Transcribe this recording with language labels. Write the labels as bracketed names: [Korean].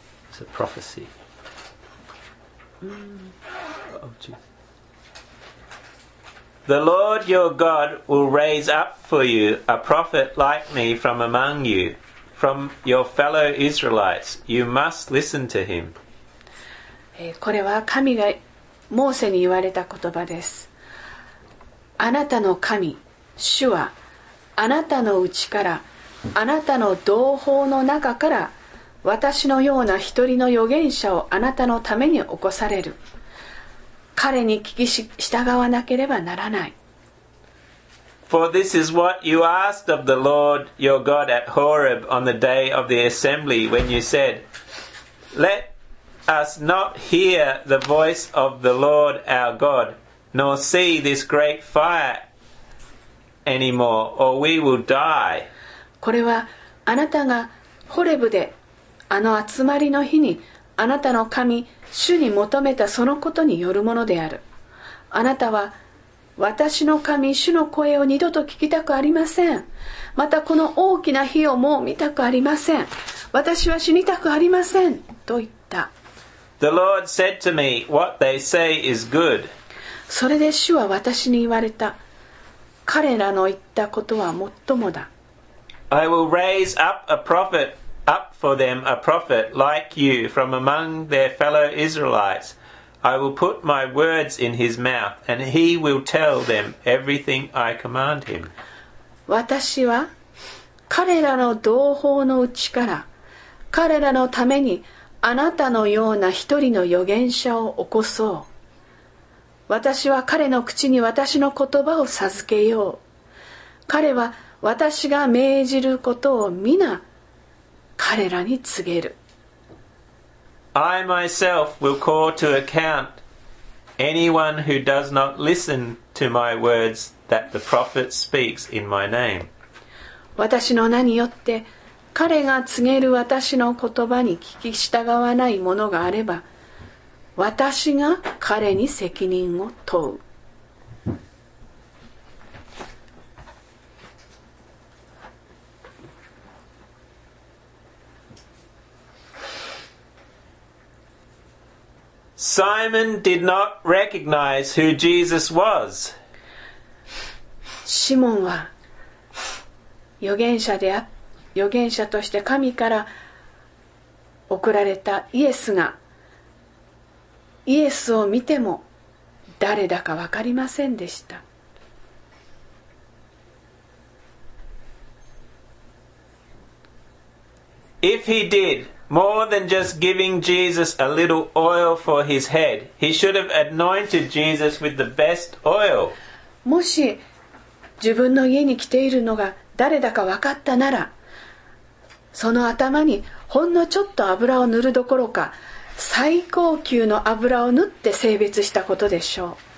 [English] It's a prophecy of Jesus. The Lord your God will raise up for you a prophet like me from among you, from your fellow Israelites. You must listen to him. [Japanese] これは神がモーセに言われた言葉です。あなたの神、主はあなたのうちから、あなたの同胞の中から私のような一人の預言者をあなたのために起こされる。彼に聞き従わなければならない。 [English] For this is what you asked of the Lord your God at Horeb on the day of the assembly when you said, Let us not hear the voice of the Lord our God, nor see this great fire anymore, or we will die. [Japanese] これはあなたがホレブであの集まりの日にあなたの神主に求めたそのことによるものである。あなたは私の神主の声を二度と聞きたくありません。またこの大きな火をもう見たくありません。私は死にたくありませんと言った。 [English] The Lord said to me, What they say is good. [Japanese] それで主は私に言われた、彼らの言ったことは最もだ。 [English] I will raise up a prophetUp for them a prophet like you from among their fellow Israelites. I will put my words in his mouth, and he will tell them everything I command him. [Japanese] 私は彼らの同胞のうちから彼らのためにあなたのような一人の預言者を起こそう。私は彼の口に私の言葉を授けよう。彼は私が命じることを皆彼らに告げる。 [English] I myself will call to account anyone who does not listen to my words that the prophet speaks in my name. [Japanese] 私の名によって彼が告げる私の言葉に聞き従わないものがあれば、私が彼に責任を問う。 [English] Simon did not recognize who Jesus was. [Japanese] シモンは預言者として神から送られたイエスが、イエスを見ても誰だか分かりませんでした。 [English] If he did more than just giving Jesus a little oil for his head, he should have anointed Jesus with the best oil. [Japanese] もし自分の家に来ているのが誰だか分かったなら、その頭にほんのちょっと油を塗るどころか、最高級の油を塗って清別したことでしょう。